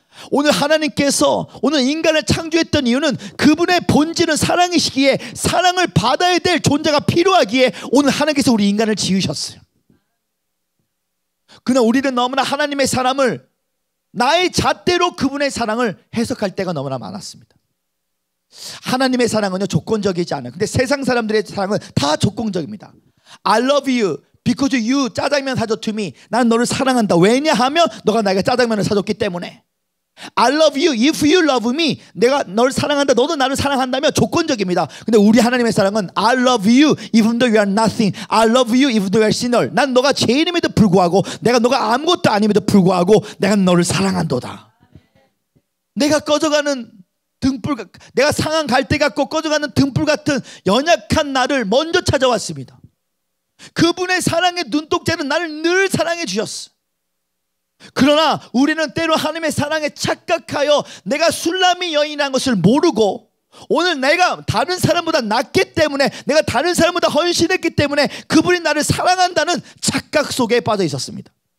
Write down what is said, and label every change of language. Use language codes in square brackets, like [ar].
[ko] 오늘 하나님께서 오늘 인간을 창조했던 이유는 그분의 본질은 사랑이시기에 사랑을 받아야 될 존재가 필요하기에 오늘 하나님께서 우리 인간을 지으셨어요. 그러나 우리는 너무나 하나님의 사랑을 나의 잣대로 그분의 사랑을 해석할 때가 너무나 많았습니다. 하나님의 사랑은요 조건적이지 않아요. 근데 세상 사람들의 사랑은 다 조건적입니다. [en] I love you because you 짜장면 사줬 to me. [ko] 난 너를 사랑한다. 왜냐하면 너가 나에게 짜장면을 사줬기 때문에. [en] I love you if you love me. [ko] 내가 너를 사랑한다. 너도 나를 사랑한다면 조건적입니다. 근데 우리 하나님의 사랑은 [en] I love you even though you are nothing. I love you even though you are sinner. [ko] 난 너가 죄인임에도 불구하고 내가 너가 아무것도 아님에도 불구하고 내가 너를 사랑한도다. 내가 꺼져가는 등불 내가 상한 갈대 같고 꺼져가는 등불 같은 연약한 나를 먼저 찾아왔습니다. 그분의 사랑의 눈동자는 나를 늘 사랑해 주셨어. 그러나 우리는 때로 하나님의 사랑에 착각하여 내가 술람이 여인이라는 것을 모르고 오늘 내가 다른 사람보다 낫기 때문에 내가 다른 사람보다 헌신했기 때문에 그분이 나를 사랑한다는 착각 속에 빠져 있었습니다.